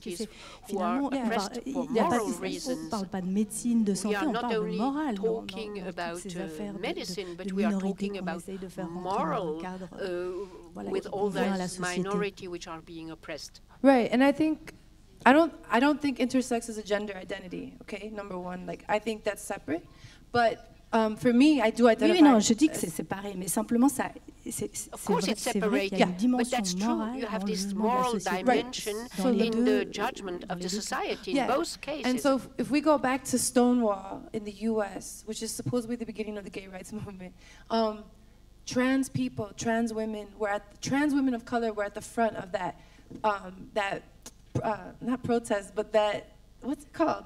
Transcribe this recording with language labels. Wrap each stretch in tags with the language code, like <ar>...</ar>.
<fr>Parce que c'est, finalement, on ne parle pas de médecine, de santé, on parle de morale. Non, non, dans toutes ces affaires de minorité qu'on essaye de faire rentrer dans le cadre.</fr> <en>With all those minority which are being oppressed. Right, and I think I don't think intersex is a gender identity, okay? Number one, like I think that's separate. But for me, I do identify.</en> <fr>Oui, non, je dis que c'est séparé, mais simplement ça</fr> <en>Of course,</en> <fr>vrai,</fr> <en>it's separate, yeah. But that's true. You have this moral dimension in the judgment of the society in both cases. And so if we go back to Stonewall in the US, which is supposedly the beginning of the gay rights movement, trans people, trans women were at trans women of color were at the front of that not protest, but that what's it called?</en>